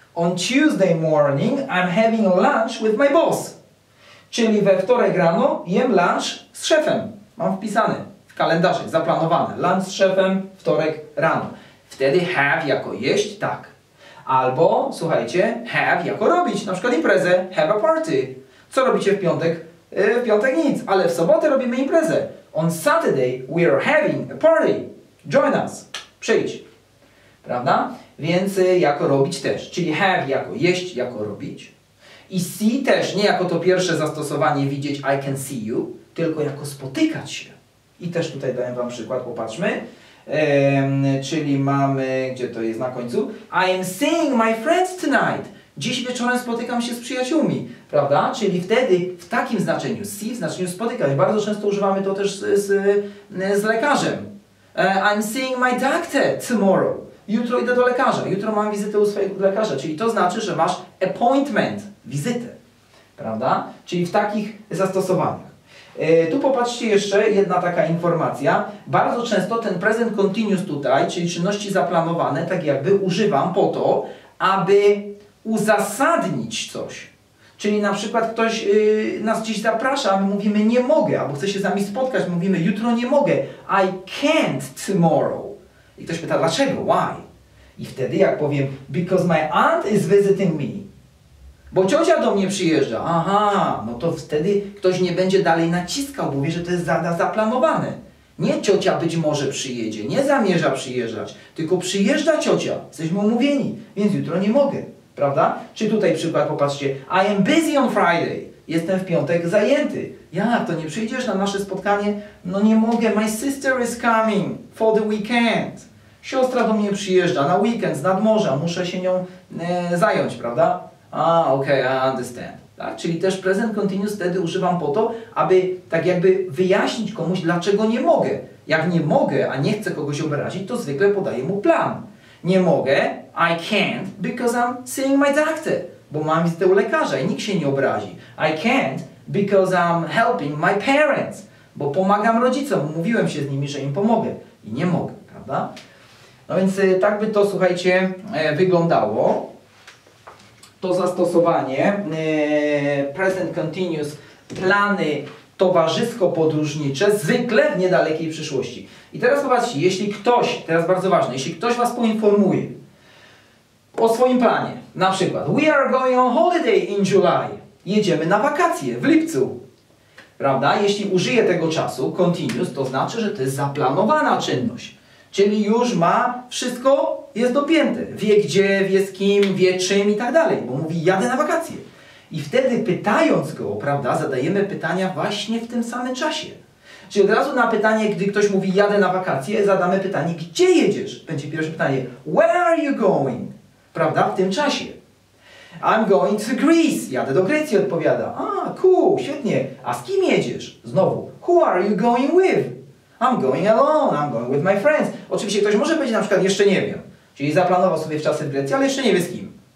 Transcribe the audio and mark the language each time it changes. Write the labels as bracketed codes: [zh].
[en] On Tuesday morning I'm having lunch with my boss. [pl] Czyli we wtorek rano jem lunch z szefem. Mam wpisane w kalendarze, zaplanowane. Lunch z szefem, wtorek rano. Wtedy have jako jeść, tak. Albo, słuchajcie, have jako robić, na przykład imprezę, [en] have a party. [pl] Co robicie w piątek? W piątek nic, ale w sobotę robimy imprezę. [en] On Saturday we are having a party. Join us. [pl] Przyjdź. Prawda? Więc jako robić też, czyli have jako jeść, jako robić. I see też, nie jako to pierwsze zastosowanie widzieć, [en] I can see you, [pl] tylko jako spotykać się. I też tutaj daję wam przykład, popatrzmy. Czyli mamy, gdzie to jest na końcu? [en] I am seeing my friends tonight. [pl] Dziś wieczorem spotykam się z przyjaciółmi, prawda? Czyli wtedy w takim znaczeniu, see w znaczeniu spotykać. Bardzo często używamy to też z lekarzem. [en] I'm seeing my doctor tomorrow. [pl] Jutro idę do lekarza, jutro mam wizytę u swojego lekarza. Czyli to znaczy, że masz appointment, wizytę, prawda? Czyli w takich zastosowaniach. Tu popatrzcie jeszcze, jedna taka informacja. Bardzo często ten present continuous tutaj, czyli czynności zaplanowane, tak jakby używam po to, aby uzasadnić coś. Czyli na przykład ktoś nas gdzieś zaprasza, a my mówimy nie mogę, albo chce się z nami spotkać, mówimy jutro nie mogę. [en] I can't tomorrow. [pl] I ktoś pyta dlaczego, [en] why? [pl] I wtedy jak powiem, [en] because my aunt is visiting me. [pl] Bo ciocia do mnie przyjeżdża, aha, no to wtedy ktoś nie będzie dalej naciskał, bo wie, że to jest zaplanowane. Nie ciocia być może przyjedzie, nie zamierza przyjeżdżać, tylko przyjeżdża ciocia, jesteśmy umówieni, więc jutro nie mogę, prawda? Czy tutaj przykład, popatrzcie, [en] I am busy on Friday, [pl] jestem w piątek zajęty. Ja, to nie przyjdziesz na nasze spotkanie? No nie mogę, [en] my sister is coming for the weekend. [pl] Siostra do mnie przyjeżdża na weekend z nadmorza, muszę się nią zająć, prawda? A, okej, okay, [en] I understand. [pl] Tak? Czyli też present continuous wtedy używam po to, aby tak jakby wyjaśnić komuś, dlaczego nie mogę. Jak nie mogę, a nie chcę kogoś obrazić, to zwykle podaję mu plan. Nie mogę, [en] I can't, because I'm seeing my doctor. [pl] Bo mam wizytę u lekarza i nikt się nie obrazi. [en] I can't, because I'm helping my parents. [pl] Bo pomagam rodzicom, umówiłem się z nimi, że im pomogę. I nie mogę, prawda? No więc tak by to, słuchajcie, wyglądało. To zastosowanie, present continuous, plany towarzysko-podróżnicze, zwykle w niedalekiej przyszłości. I teraz zobaczcie, jeśli ktoś, teraz bardzo ważne, jeśli ktoś was poinformuje o swoim planie, na przykład [en] we are going on holiday in July, [pl] jedziemy na wakacje w lipcu, prawda? Jeśli użyje tego czasu, continuous, to znaczy, że to jest zaplanowana czynność. Czyli już ma wszystko, jest dopięte. Wie gdzie, wie z kim, wie czym i tak dalej. Bo mówi, jadę na wakacje. I wtedy pytając go, prawda, zadajemy pytania właśnie w tym samym czasie. Czyli od razu na pytanie, gdy ktoś mówi, jadę na wakacje, zadamy pytanie, gdzie jedziesz? Będzie pierwsze pytanie, [en] where are you going? [pl] Prawda, w tym czasie. [en] I'm going to Greece. [pl] Jadę do Grecji, odpowiada. A, cool, świetnie. A z kim jedziesz? [en] Znowu, who are you going with? I'm going alone, I'm going with my friends. [pl] Oczywiście ktoś może powiedzieć na przykład, jeszcze nie wiem. Czyli zaplanował sobie w czasy w Grecji, ale jeszcze nie wie z kim.